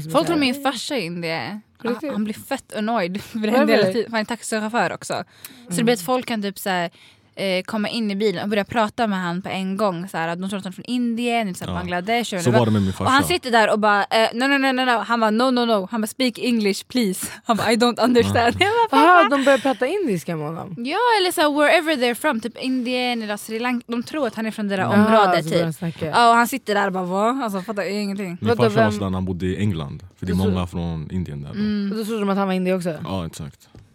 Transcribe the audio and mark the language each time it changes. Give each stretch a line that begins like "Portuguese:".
Swedish: Folk tror min farsa är Indie. Han blir fett annoyed. För en del tid. Han är taxichaufför också. Mm. Så det blir att folk kan typ så här, komma in i bilen och börja prata med han på en gång. Så här, att de tror att han är från Indien, eller Bangladesh. Så var det med min farsa. Och han sitter där och bara, no. Han bara, no. Han bara,
English: speak English, please. Han bara, I don't understand.
Swedish: Jaha, de börjar prata indiska med honom. Ja, eller så här,
English: wherever they're from.
Swedish: Typ Indien eller Sri Lanka. De tror att han är från det där området. Typ. Ja, och han sitter där och bara, va? Alltså, fattar jag ingenting. Min farsa var sådär när han bodde i England. För det är många från Indien där. Mm. Och då tror de att han var indie också? Ja, exakt.